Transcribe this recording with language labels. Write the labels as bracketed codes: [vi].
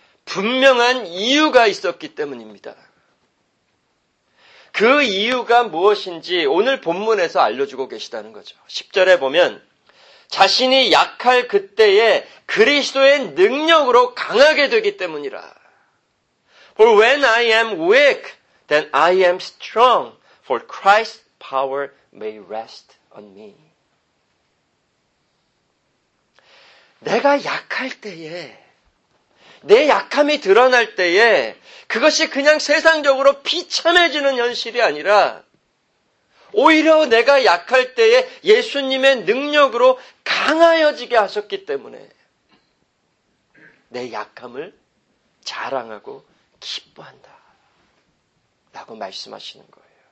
[ko] 분명한 이유가 있었기 때문입니다. 그 이유가 무엇인지 오늘 본문에서 알려주고 계시다는 거죠. 10절에 보면 자신이 약할 그때에 그리스도의 능력으로 강하게 되기 때문이라. [en] For when I am weak, then I am strong, for Christ's power may rest on me. [ko] 내가 약할 때에, 내 약함이 드러날 때에 그것이 그냥 세상적으로 비참해지는 현실이 아니라 오히려 내가 약할 때에 예수님의 능력으로 강하여지게 하셨기 때문에 내 약함을 자랑하고 기뻐한다 라고 말씀하시는 거예요.